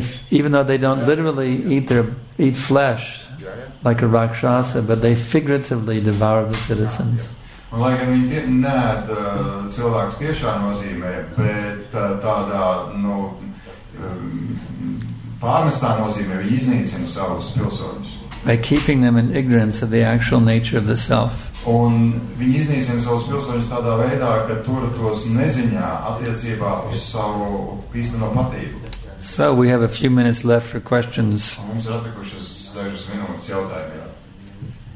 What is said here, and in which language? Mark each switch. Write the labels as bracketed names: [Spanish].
[English] Even though they don't literally eat flesh like a rakshasa, but they figuratively devour the citizens. By keeping them in ignorance of the actual nature of the self. [Latvian] Un viņi iznīcina savus pilsoņus tādā veidā, ka tura tos neziņā attiecībā uz savu īsteno patību. [English] So we have a few minutes left for questions. [Latvian] Mums ir atlikušas dažas minūtes jautājumiem.